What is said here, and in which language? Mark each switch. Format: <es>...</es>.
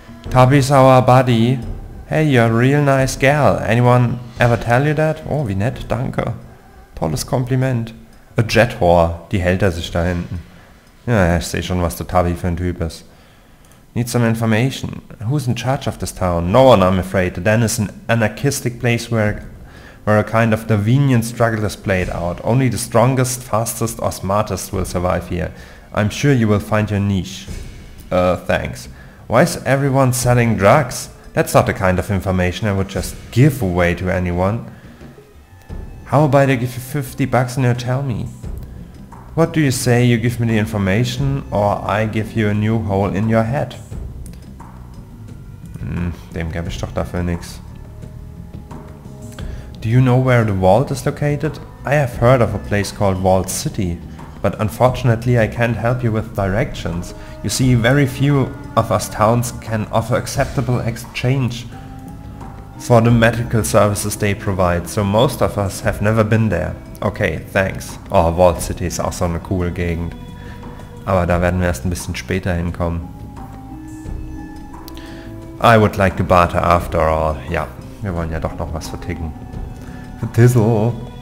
<en>Tubby's our buddy. Hey, you're a real nice girl. Anyone ever tell you that?</en> <de>Oh, wie nett, danke. Tolles Kompliment.</de> <en>A jet whore.</en> <de>Die hält er sich da hinten. Ja, ich sehe schon, was der Tubby für ein Typ ist.</de> <en>Need some information. Who's in charge of this town? No one, I'm afraid. The den is an anarchistic place where a kind of Darwinian struggle is played out. Only the strongest, fastest, or smartest will survive here. I'm sure you will find your niche. Thanks. Why is everyone selling drugs? That's not the kind of information I would just give away to anyone. How about I give you 50 bucks and you tell me? What do you say, you give me the information or I give you a new hole in your head?</en> <de>Dem gebe ich doch dafür nix.</de> <en>Do you know where the vault is located? I have heard of a place called Vault City, but unfortunately I can't help you with directions. You see, very few of us towns can offer acceptable exchange for the medical services they provide, so most of us have never been there. Okay, thanks.</en> <de>Oh, Vault City ist auch so eine coole Gegend. Aber da werden wir erst ein bisschen später hinkommen.</de> <en>I would like a barter after all.</en> <de>Ja, wir wollen ja doch noch was verticken. Tizzle.</de>